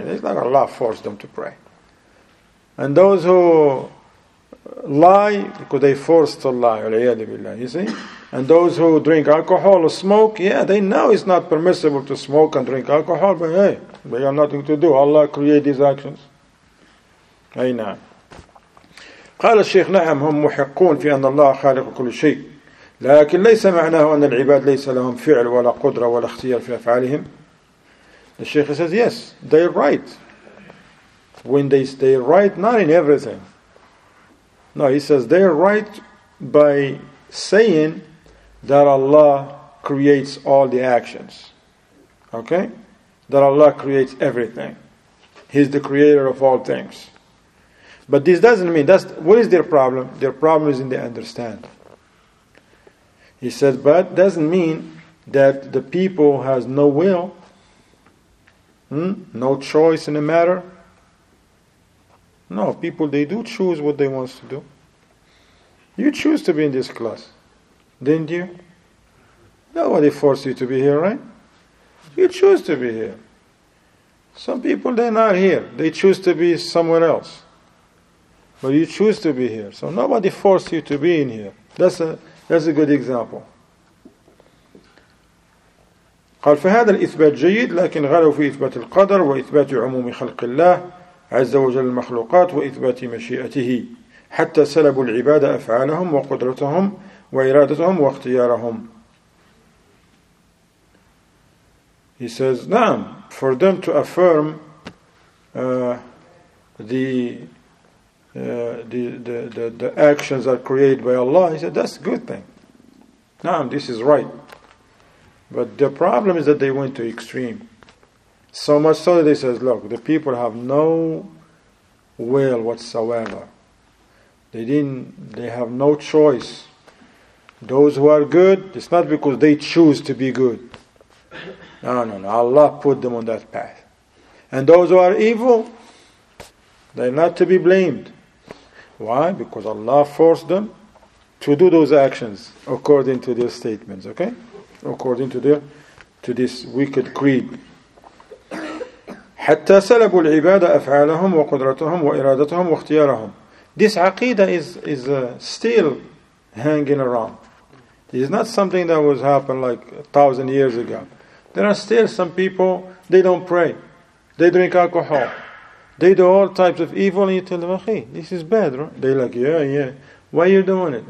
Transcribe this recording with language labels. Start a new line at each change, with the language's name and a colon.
English: It's not Allah forced them to pray. And those who lie, because they forced to lie, you see? And those who drink alcohol or smoke, yeah, they know it's not permissible to smoke and drink alcohol, but hey, we have nothing to do. Allah created these actions. Aynan.
Arabic: قال الشيخ نعم هم محقون في أن الله خالق كل شيء لكن ليس معناه أن العباد ليس لهم فعل ولا قدرة ولا اختيار في أفعالهم.
English: The sheikh says yes, they're right. When they stay right, not in everything. No, he says they're right by saying that Allah creates all the actions. Okay? That Allah creates everything. He's the creator of all things. But this doesn't mean, that's what is their problem? Their problem is in the understanding. He said, but doesn't mean that the people has no will, no choice in the matter. No, people, they do choose what they want to do. You choose to be in this class, didn't you? Nobody forced you to be here, right? You choose to be here. Some people, they're not here. They choose to be somewhere else. But you choose to be here. So nobody forced you to be in here. That's a good example.
Arabic: قال فهذا الإثبات جيد لكن غلو في إثبات القدر وإثبات عموم خلق الله عز وجل المخلوقات وإثبات مشيئته حتى سلبوا العبادة أفعالهم وقدرتهم وإرادتهم واختيارهم.
English: He says,
Arabic: نعم,
English: for them to affirm the actions are created by Allah, he said, that's a good thing. Naam, this is right. But the problem is that they went to extreme. So much so that he says, look, the people have no will whatsoever. They have no choice. Those who are good, it's not because they choose to be good. No. Allah put them on that path. And those who are evil, they're not to be blamed. Why? Because Allah forced them to do those actions according to their statements, okay? According to their to this wicked creed.
Arabic: حتى سلبوا العبادة أفعالهم وقدرتهم وإرادتهم واختيارهم.
English: This aqeedah is still hanging around. It is not something that was happened like 1,000 years ago. There are still some people, they don't pray. They drink alcohol. They do all types of evil and you tell them, hey, this is bad, right? They're like, yeah, yeah. Why are you doing it?